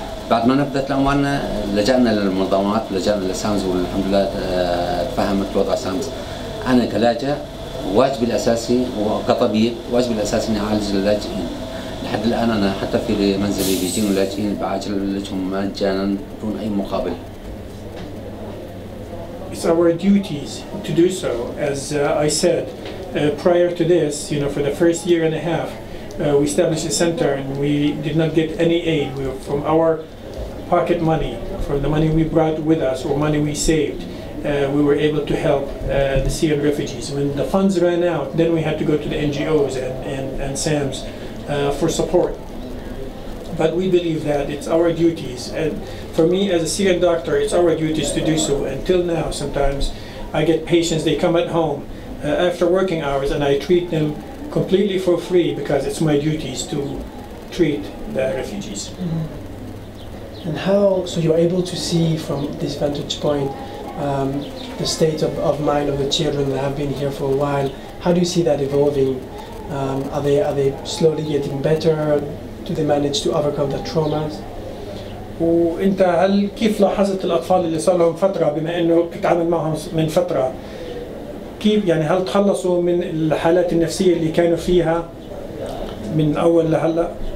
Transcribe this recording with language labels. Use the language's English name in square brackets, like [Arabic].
[Arabic] بعد ما نبذت اموالنا لجانا للمنظمات، لجانا للسامز، والحمد لله تفهمت وضع سامز. انا كلاجئ واجبي الاساسي وكطبيب واجبي الاساسي اني اعالج اللاجئين. لحد الان انا حتى في منزلي بيجين اللاجئين بعالجهم مجانا دون اي مقابل. [English] It's our duties to do so. As I said prior to this, you know, for the first year and a half, we established a center and we did not get any aid. We were from our pocket money, from the money we brought with us or money we saved, we were able to help the Syrian refugees. When the funds ran out, then we had to go to the NGOs and SAMS for support. But we believe that it's our duties. And for me as a Syrian doctor, it's our duties to do so. Until now, sometimes I get patients, they come at home after working hours and I treat them completely for free because it's my duties to treat the refugees. Mm-hmm. And how, so you're able to see from this vantage point the state of mind of the children that have been here for a while. How do you see that evolving? Are they slowly getting better? Do they manage to overcome the traumas? [Arabic] وانت هل كيف لاحظت الاطفال اللي صار لهم فتره بما انه بتتعامل معهم من فتره كيف يعني هل تخلصوا من الحالات النفسيه اللي كانوا فيها من اول لهلا